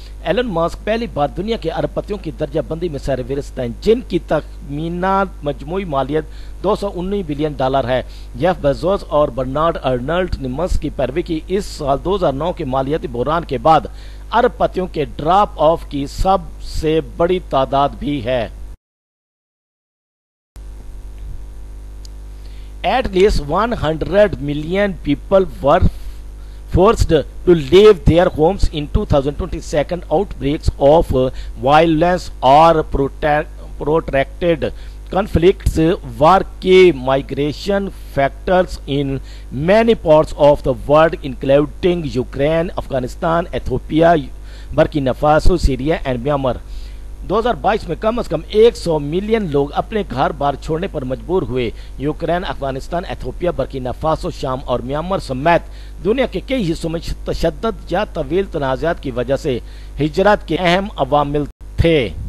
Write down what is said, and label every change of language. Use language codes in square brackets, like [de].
[ur] Alan mask پہلی بار دنیا کے ارب پتیوں کی درجہ بندی میں سر فہرست ہیں, جن کی تخمینہ مجموعی مالیت 219 بلین ڈالر ہے. جیف بیزوز اور برنارڈ آرنلڈ نے ماسک کی پیروی کی اس سال 2009 کے مالیاتی بحران کے بعد. ارب پتیوں کے ڈراپ آف کی سب سے بڑی تعداد بھی ہے. [en] At least 100 million people were forced to leave their homes in 2022. Outbreaks of violence or protracted conflicts were key migration factors in many parts of the world, including Ukraine, Afghanistan, Ethiopia, Burkina Faso, Syria and Myanmar. [ur] 2022 میں کم از کم 100 million لوگ اپنے گھر بار چھوڑنے پر مجبور ہوئے. Ukraine, Afghanistan, Ethiopia, Burkina Faso, شام اور Myanmar سمیت دنیا کے کئی حصوں میں تشدد یا طویل تنازعات کی وجہ سے ہجرت کے اہم عوامل تھے.